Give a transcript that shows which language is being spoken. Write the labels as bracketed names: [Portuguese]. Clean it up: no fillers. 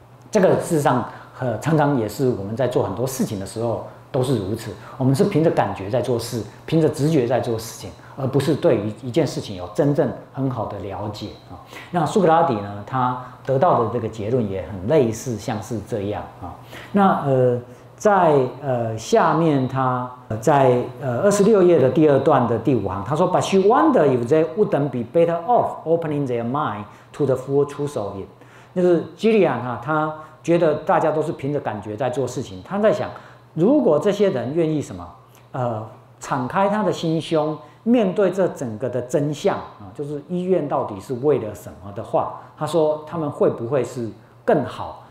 [Chinese] 这个事实上常常也是我们在做很多事情的时候。都是如此，我们是凭着感觉在做事，凭着直觉在做事情，而不是对于一件事情有真正很好的了解。那苏格拉底呢，他得到的这个结论也很类似，像是这样。那在下面他在26页的第二段的第五行，他说 [English] But she wondered if they wouldn't be better off opening their mind to the full truth of it。 [Chinese] 就是 Gillian 他觉得大家都是凭着感觉在做事情，他在想如果这些人愿意什么，敞开他的心胸，面对这整个的真相啊，就是医院到底是为了什么的话，他说他们会不会是更好？